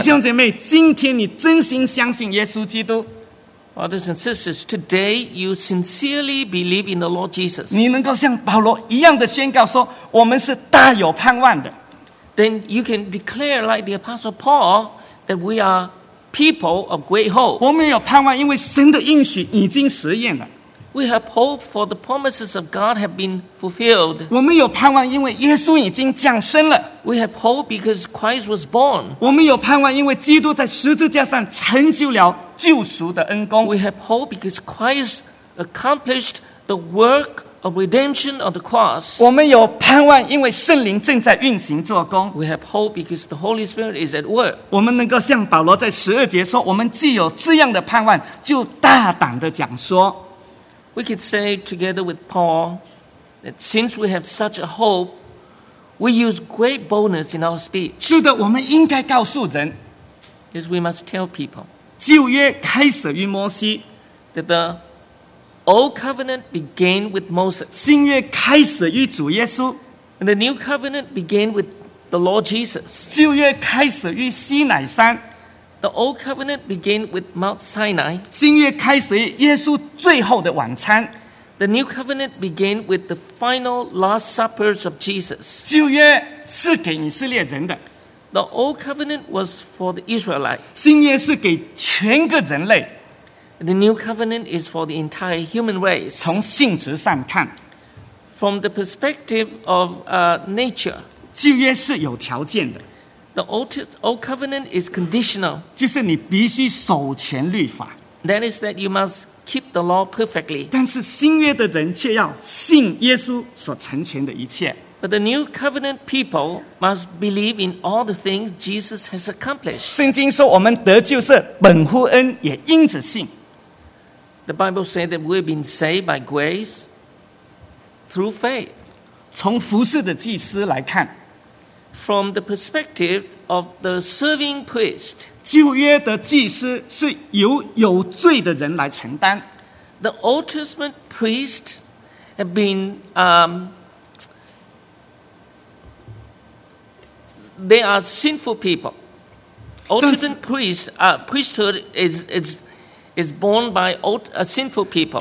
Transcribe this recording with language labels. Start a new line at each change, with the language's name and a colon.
Chinese: 弟兄姐妹，今天你真心相信耶稣基督。
English: Brothers and sisters, today you sincerely believe in the Lord Jesus.
Chinese: 你能够像保罗一样的宣告说，我们是大有盼望的。
English: Then you can declare like the Apostle Paul that we are people of great hope.
Chinese: 我们有盼望，因为神的应许已经实现了。
English: We have hope for the promises of God have been fulfilled.
Chinese: 我们有盼望，因为耶稣已经降生了。
English: We have hope because Christ was born.
Chinese: 我们有盼望，因为基督在十字架上成就了救赎的恩功。
English: We have hope because Christ accomplished the work of redemption on the cross.
Chinese: 我们有盼望，因为圣灵正在运行做工。
English: We have hope because the Holy Spirit is at work.
Chinese: 我们能够像保罗在十二节说，我们既有这样的盼望，就大胆地讲说。
English: We could say together with Paul that since we have such a hope, we use great boldness in our speech.
Chinese: 是的，我们应该告诉人。
English: Yes, we must tell people.
Chinese: 旧约开始于摩西。
English: That the old covenant began with Moses.
Chinese: 新约开始于主耶稣。
English: And the new covenant began with the Lord Jesus.
Chinese: 旧约开始于西乃山。
English: The old covenant began with Mount Sinai.
Chinese: 新约开始于耶稣最后的晚餐。
English: The new covenant began with the final last suppers of Jesus.
Chinese: 旧约是给以色列人的。
English: The old covenant was for the Israelites.
Chinese: 新约是给全个人类。
English: The new covenant is for the entire human race.
Chinese: 从性质上看。
English: From the perspective of nature.
Chinese: 旧约是有条件的。
English: The old covenant is conditional.
Chinese: 就是你必须守全律法。
English: That is that you must keep the law perfectly.
Chinese: 但是新约的人却要信耶稣所成全的一切。
English: But the new covenant people must believe in all the things Jesus has accomplished.
Chinese: 圣经说我们得救是本乎恩，也因着信。
English: The Bible said that we've been saved by grace through faith.
Chinese: 从服事的祭司来看。
English: From the perspective of the serving priest,
Chinese: 旧约的祭司是由有罪的人来承担。
English: The Old Testament priest had been, they are sinful people. Old Testament priest, priesthood is borne by old, sinful people.